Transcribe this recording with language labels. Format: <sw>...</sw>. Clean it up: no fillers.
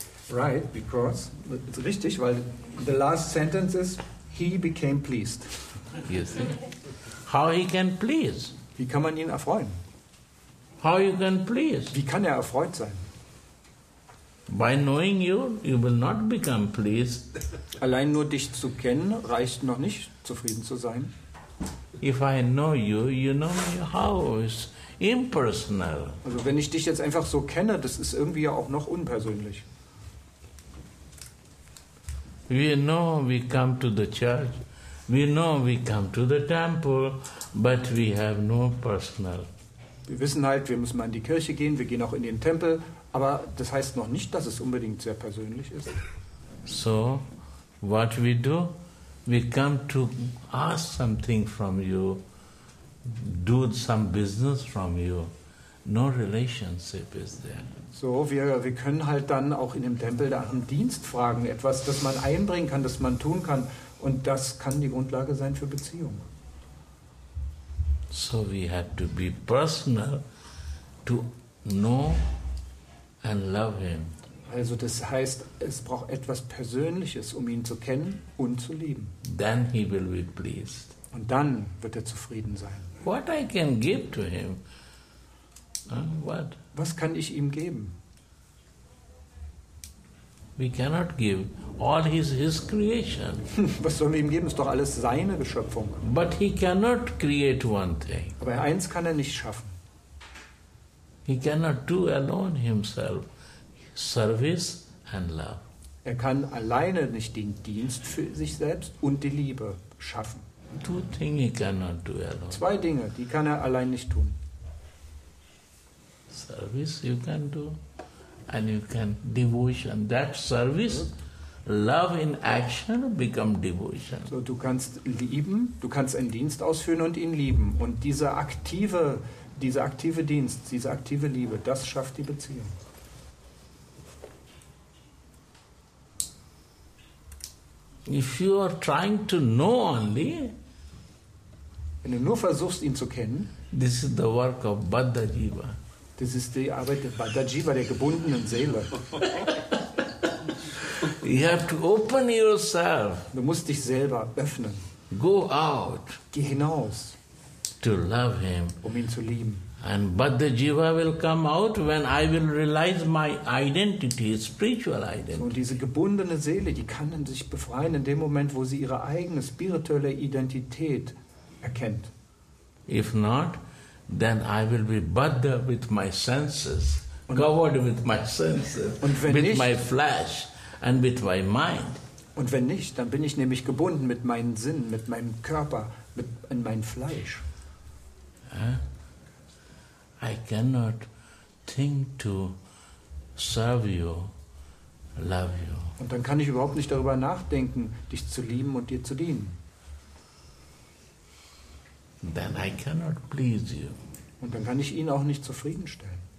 <en>Right, because it's</en> <de>richtig, weil</de> <en>the last sentence is he became pleased. You see? How he can please?</en> <de>Wie kann man ihn erfreuen?</de> <en>How you can please?</en> <de>Wie kann er erfreut sein?</de> <en>By knowing you, you will not become pleased.</en> <de>Allein nur dich zu kennen reicht noch nicht, zufrieden zu sein.</de> <en>If I know you, you know me how? It's impersonal.</en> <de>Also wenn ich dich jetzt einfach so kenne, das ist irgendwie ja auch noch unpersönlich.</de> <en>We know we come to the church, we know we come to the temple, but we have no personal.</en> <de>Wir wissen halt, wir müssen mal in die Kirche gehen, wir gehen auch in den Tempel, aber das heißt noch nicht, dass es unbedingt sehr persönlich ist.</de> <en>So, what we do? We come to ask something from you, do some business from you. No relationship is there.</en> <de>So, wir können halt dann auch in dem Tempel nach dem Dienst fragen, etwas, das man einbringen kann, das man tun kann, und das kann die Grundlage sein für Beziehung.</de> <en>So we have to be personal to know and love him.</en> <de>Also das heißt, es braucht etwas Persönliches, um ihn zu kennen und zu lieben.</de> <en>Then he will be pleased.</en> <de>Und dann wird er zufrieden sein.</de> <en>What I can give to him? What?</en> <de>Was kann ich ihm geben?</de> <en>We cannot give. All is his creation.</en> <de>Was sollen wir ihm geben? Ist doch alles seine Geschöpfung.</de> <en>But he cannot create one thing.</en> <de>Aber eins kann er nicht schaffen.</de> <en>He cannot do alone himself service and love.</en> <de>Er kann alleine nicht den Dienst für sich selbst und die Liebe schaffen.</de> <en>Two things he cannot do alone.</en> <de>Zwei Dinge, die kann er allein nicht tun.</de> <en>Service you can do, and you can devotion. That service, love in action, become devotion.</en> <de>So du kannst lieben, du kannst einen Dienst ausführen und ihn lieben. Und dieser aktive Dienst, diese aktive Liebe, das schafft die Beziehung.</de> <en>If you are trying to know only,</en> <de>wenn du nur versuchst, ihn zu kennen,</de> <en>this is the work of Baddha Jiva.</en> <de>Das ist die Arbeit der Baddha Jiva, der gebundenen Seele.</de> <en>You have to open yourself.</en> <de>Du musst dich selber öffnen.</de> <en>Go out.</en> <de>Geh hinaus.</de> <en>To love him.</en> <de>Um ihn zu lieben.</de> <en>And Baddha Jiva will come out when I will realize my identity, spiritual identity.</en> <de>Und diese gebundene Seele, die kann dann sich befreien in dem Moment, wo sie ihre eigene spirituelle Identität erkennt.</de> <en>If not, then I will be Buddha with my senses, covered with my senses, with my flesh and with my mind.</en> <de>Und wenn nicht, dann bin ich nämlich gebunden mit meinen Sinnen, mit meinem Körper, in mein Fleisch.</de> <en>I cannot think to serve you, love you.</en> <de>Und dann kann ich überhaupt nicht darüber nachdenken, dich zu lieben und dir zu dienen.</de> <en>Then I cannot please you.</en> <de>Und dann kann ich ihn auch nicht zufriedenstellen.</de>